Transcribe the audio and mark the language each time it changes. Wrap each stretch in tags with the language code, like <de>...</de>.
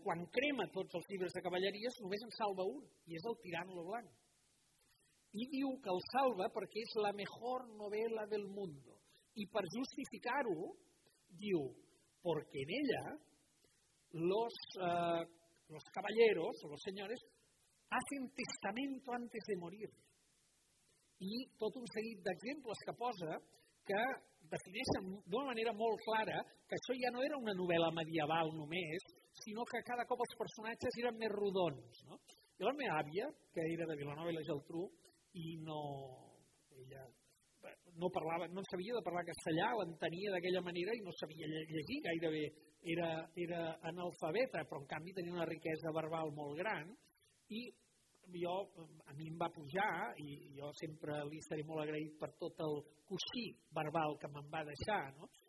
<ca>quan crema tots els llibres de cavalleries, només en salva un, i és el Tirant lo Blanc. I diu que el salva perquè és</ca> <es>la mejor</es> <ca>novel·la</ca> <es>del mundo.</es> <ca>I per justificar-ho, diu, perquè en ella</ca> <es>los los caballeros o los señores hacen testamento antes de morir.</es> <ca>I tot un seguit d'exemples que posa que defineixen d'una manera molt clara que això ja no era una novel·la medieval només, sinó que cada cop els personatges eren més rodons. No? I la meva àvia, que era de Vilanova i la Geltrú, i no, ella no, parlava, no sabia de parlar castellà, l'entenia d'aquella manera i no sabia llegir gairebé, era analfabeta, però en canvi tenia una riquesa verbal molt gran, i jo, a mi em va pujar, i jo sempre li estaré molt agraït per tot el coixí verbal que me'n va deixar, no?</ca>